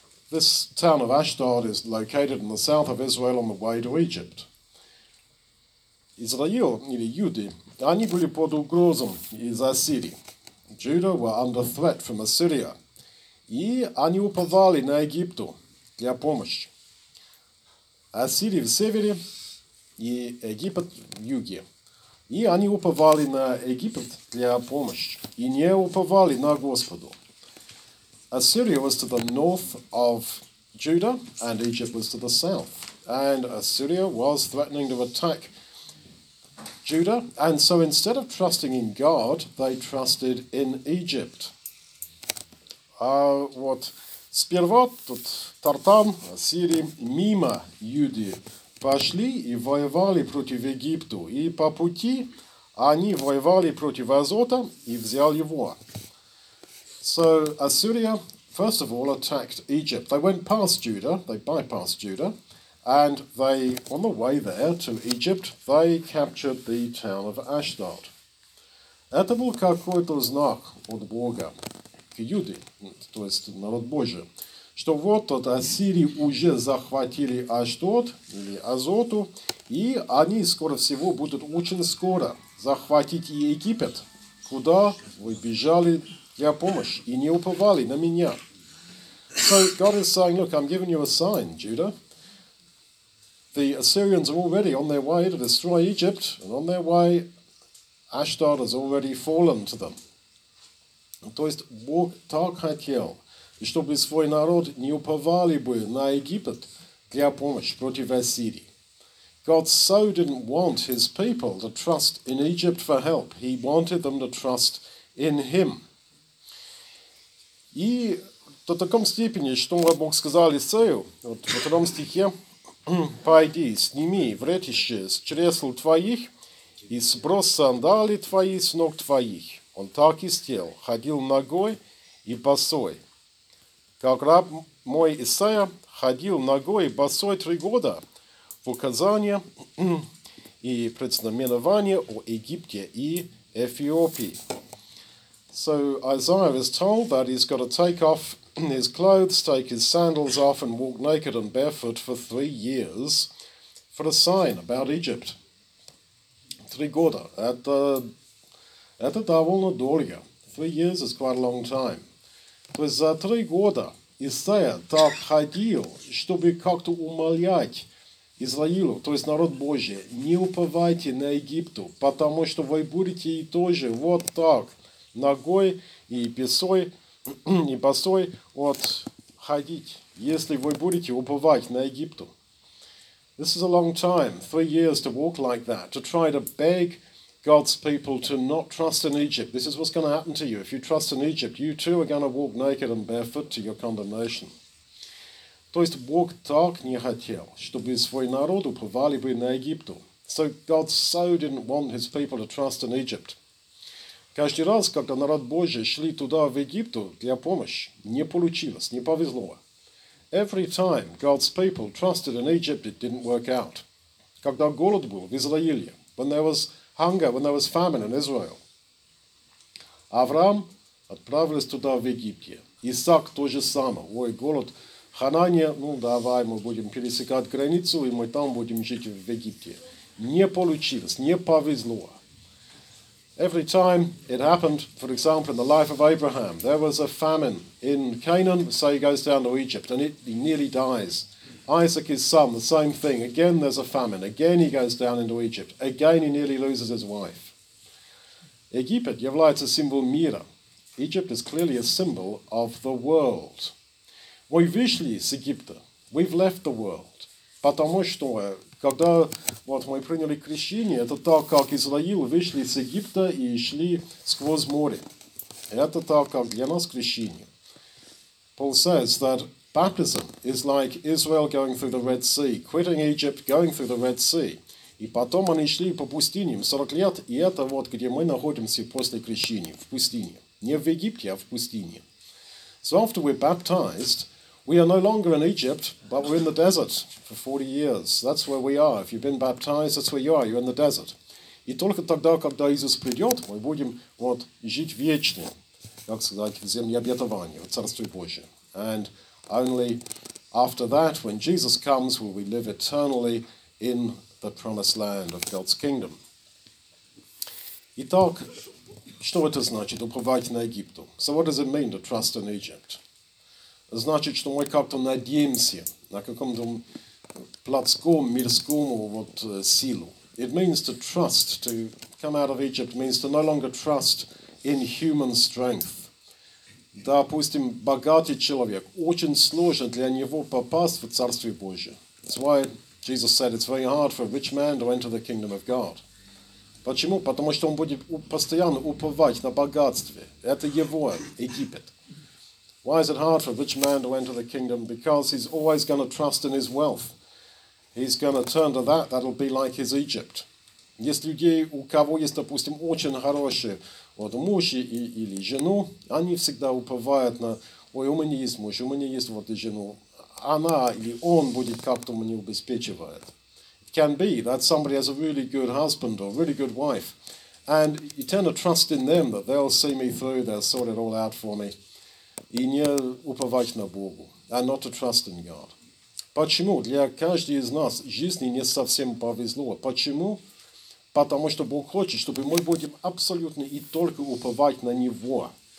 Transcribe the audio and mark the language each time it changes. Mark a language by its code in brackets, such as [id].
[en] This town of Ashdod is located in the south of Israel on the way to Egypt. [ru] Израил, или Юды, они были под угрозом из Ассирии. [en] Judah were under threat from Assyria. [ru] И они уповали на Египту для помощи. Ассирия в севере и Египет в юге. И они уповали на Египет для помощи. И не уповали на Господу. [en] Assyria was to the north of Judah, and Egypt was to the south. And Assyria was threatening to attack Judah. And so instead of trusting in God, they trusted in Egypt. [ru] А вот сперва тут Тартан, Ассирия, мимо Юды пошли и воевали против Египта. И по пути они воевали против Азота и взял его. [en] So Assyria, first of all, attacked Egypt. They went past Judah, they bypassed Judah, and they, on the way there to Egypt, they captured the town of Ashdod. [ru] Это был какой-то знак от Бога к Юде, то есть народ Божий, что вот от Ассирии уже захватили Ашдод или Азоту, и они скоро всего будут очень скоро захватить и Египет, куда вы бежали для помощи и не уповали на меня. [en] So God is saying, look, I'm giving you a sign, Judah. The Assyrians are already on their way to destroy Egypt, and on their way, Ashdod has already fallen to them. [ru] То есть Бог так хотел, чтобы свой народ не уповали бы на Египет для помощи против Ассирии. [en] God so didn't want his people to trust in Egypt for help. He wanted them to trust in him. [ru] И до такой степени, что Бог сказал Исаию, вот в этом стихе, «Пойди, сними вретище с чресл твоих и сброс сандали твои с ног твоих». Он так и сделал, ходил ногой и босой. Как раб мой Исаия ходил ногой и босой 3 года в указание и предзнаменование о Египте и Эфиопии. [en] So Isaiah is told that he's got to take off his clothes, take his sandals off and walk naked and barefoot for 3 years for a sign about Egypt. [ru] 3 года. Это довольно долго. [en] 3 years is quite a long time. [ru] То есть за 3 года Исаия так ходил, чтобы как-то умолять Израилю, то есть народ Божий, не уповайте на Египту, потому что вы будете и тоже вот так, ногой и босой, и босой вот ходить, если вы будете уповать на Египту. [en] This is a long time, 3 years to walk like that, to try to beg God's people to not trust in Egypt. This is what's going to happen to you. If you trust in Egypt, you too are going to walk naked and barefoot to your condemnation. [ru] То есть Бог так не хотел, чтобы свой народ уповали бы на Египту. [en] So God so didn't want his people to trust in Egypt. [ru] Каждый раз, когда народ Божий шли туда, в Египту, для помощи, не получилось, не повезло. [en] Every time God's people trusted in Egypt, it didn't work out. [ru] Когда голод был в Израиле, [en] when there was hunger, when there was famine in Israel. [ru] Авраам отправился туда, в Египте. Исаак то же самое. Ой, голод. Ханания, ну давай, мы будем пересекать границу, и мы там будем жить, в Египте. Не получилось, не повезло. [en] Every time it happened, for example, in the life of Abraham, there was a famine in Canaan, so he goes down to Egypt, and he nearly dies. Isaac, his son, the same thing. Again, there's a famine. Again, he goes down into Egypt. Again, he nearly loses his wife. [ru] Египет является символом мира. [en] Egypt is clearly a symbol of the world. [ru] Мы вышли из Египта. [en] We've left the world. [ru] Потому что, когда вот, мы приняли крещение, это так, как Израиль вышли из Египта и шли сквозь море. Это так, как для нас крещение. [en] Paul says that baptism is like Israel going through the Red Sea, quitting Egypt, going through the Red Sea. [ru] И потом они шли по пустыням 40 лет, и это вот где мы находимся после крещения, в пустыне. Не в Египте, а в пустыне. [en] So after we're baptized, we are no longer in Egypt, but we're in the desert for 40 years. That's where we are. If you've been baptized, that's where you are. You're in the desert. [ru] И только тогда, когда Иисус придет, мы будем вот жить вечно, как сказать, в земле обетования, в Царстве Божьем. [en] And only after that, when Jesus comes, will we live eternally in the promised land of God's kingdom. [ru] Итак, что это значит, уповать на Египту? [en] So what does it mean to trust in Egypt? [ru] Значит, что мы как-то надеемся на каком-то плотском, мирском вот, силу. [en] It means to trust, to come out of Egypt means to no longer trust in human strength. [ru] Допустим, богатый человек, очень сложно для него попасть в Царствие Божие. [en] That's why Jesus said it's very hard for a rich man to enter the kingdom of God. [ru] Почему? Потому что он будет постоянно уповать на богатстве. Это его Египет. [en] Why is it hard for a rich man to enter the kingdom? Because he's always going to trust in his wealth. He's going to turn to that. That'll be like his Egypt. [ru] Есть люди, у кого есть, допустим, очень хорошие вот, муж или жену, они всегда уповают на, ой, у меня есть муж, у меня есть вот и жену. Она или он будет как-то мне обеспечивает. [en] It can be that somebody has a really good husband or a really good wife. And you tend to trust in them that they'll see me through, they'll sort it all out for me. [ru] И не уповать на Бога. [en] And not to trust in God. [ru] Почему? Для каждого из нас жизни не совсем повезло. Почему? Потому что Бог хочет, чтобы мы будем абсолютно и только уповать на Него.